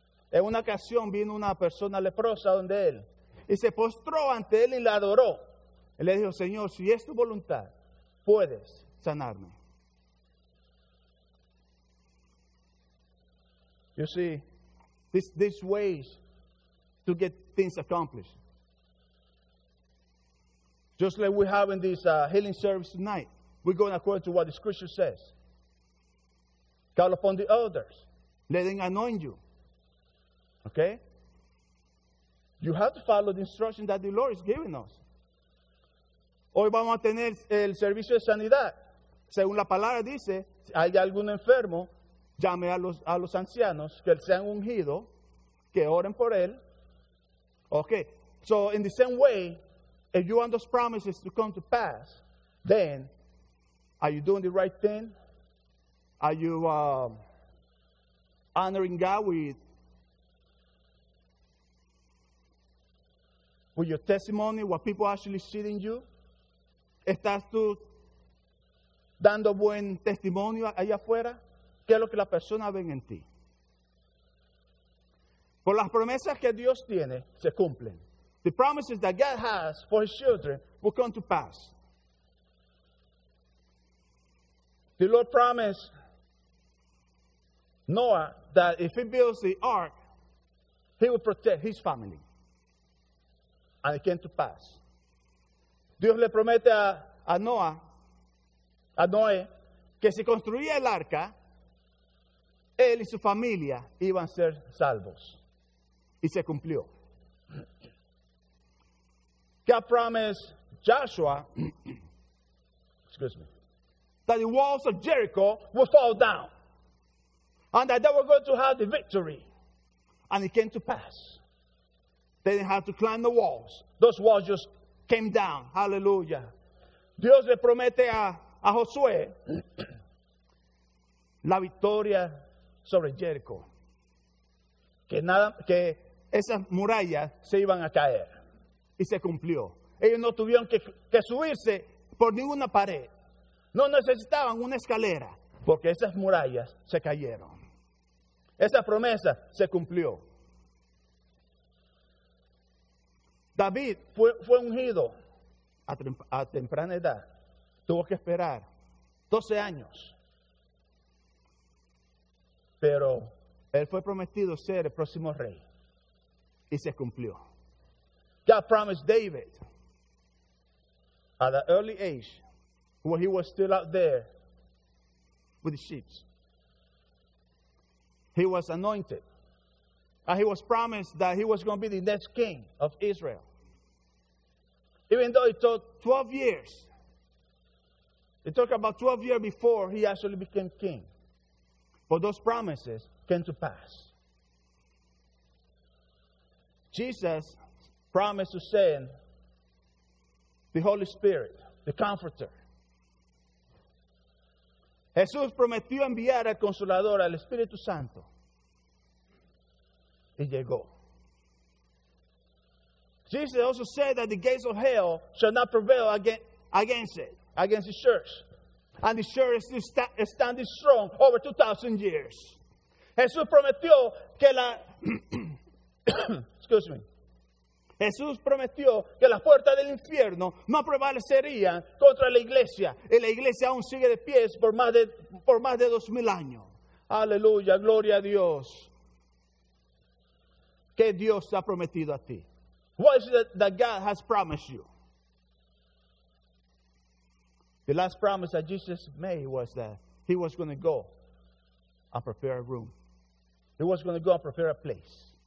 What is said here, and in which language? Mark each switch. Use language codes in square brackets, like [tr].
[es] En una ocasión vino una persona leprosa donde él y se postró ante él y le adoró. Él le dijo, Señor, si es tu voluntad, puedes sanarme. [en] You see, these ways to get things accomplished. Just like we're having this healing service tonight, we're going according to what the scripture says. Call upon the elders. Let them anoint you. Okay? You have to follow the instruction that the Lord is giving us. [es] Hoy vamos a tener el servicio de sanidad. Según la palabra dice, si hay algún enfermo, llame a los ancianos que sean ungidos, que oren por él. [en] Okay. So in the same way, if you want those promises to come to pass, then are you doing the right thing? Are you honoring God with your testimony, what people actually see in you? [es] ¿Estás tú dando buen testimonio allá afuera? ¿Qué es lo que la persona ve en ti? Por las promesas que Dios tiene, se cumplen. [en] The promises that God has for His children will come to pass. The Lord promised Noah that if he builds the ark, he will protect his family. And it came to pass. [es] Dios le promete a Noé, que si construía el arca, él y su familia iban a ser salvos. Y se cumplió. [en] God promised Joshua, excuse me, that the walls of Jericho will fall down. And that they were going to have the victory. And it came to pass. They didn't have to climb the walls. Those walls just came down. [es] Hallelujah. Dios le promete a Josué la victoria sobre Jericho. Que esas murallas se iban a caer. Y se cumplió. Ellos no tuvieron que subirse por ninguna pared. No necesitaban una escalera. Porque esas murallas se cayeron. Esa promesa se cumplió. David fue ungido a temprana edad. Tuvo que esperar 12 años. Pero él fue prometido ser el próximo rey. Y se cumplió. [en] God promised David at an early age when he was still out there with the sheep. He was anointed. And he was promised that he was going to be the next king of Israel. Even though it took 12 years. It took about 12 years before he actually became king. But those promises came to pass. Jesus promised to send the Holy Spirit, the Comforter. [es] Jesús prometió enviar al Consolador, al Espíritu Santo. Y llegó. [en] Jesus also said that the gates of hell shall not prevail against the church. And the church is standing strong over 2,000 years. [es] Jesús prometió que la... [en] excuse me. [es] Jesús prometió que las puertas del infierno no prevalecerían contra la iglesia. Y la iglesia aún sigue de pies por más de 2,000 años. Aleluya, gloria a Dios. ¿Qué Dios ha prometido a ti? [en] What is it that God has promised you? The last promise that Jesus made was that he was going to go and prepare a room. He was going to go and prepare a place.